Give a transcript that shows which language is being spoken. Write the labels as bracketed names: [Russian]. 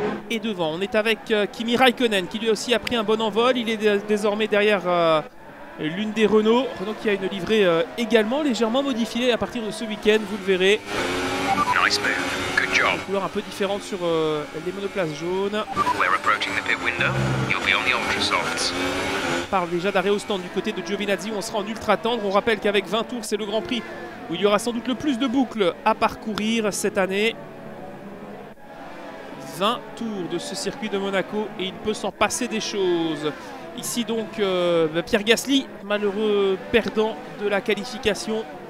[French] Et devant, on est avec Kimi Raikkonen qui lui aussi a pris un bon envol. Il est désormais derrière l'une des Renault. Renault qui a une livrée également légèrement modifiée à partir de ce week-end, vous le verrez. [English] Nice move. Good job. [French] Une couleur un peu différente sur les monoplaces jaunes. [English] We're approaching the pit window. You'll be on the ultra softs. [French] On parle déjà d'arrêt au stand du côté de Giovinazzi où on sera en ultra tendre. On rappelle qu'avec 20 tours, c'est le Grand Prix où il y aura sans doute le plus de boucles à parcourir cette année. 20 tours de ce circuit de Monaco et il peut s'en passer des choses. Ici donc Pierre Gasly, malheureux perdant de la qualification.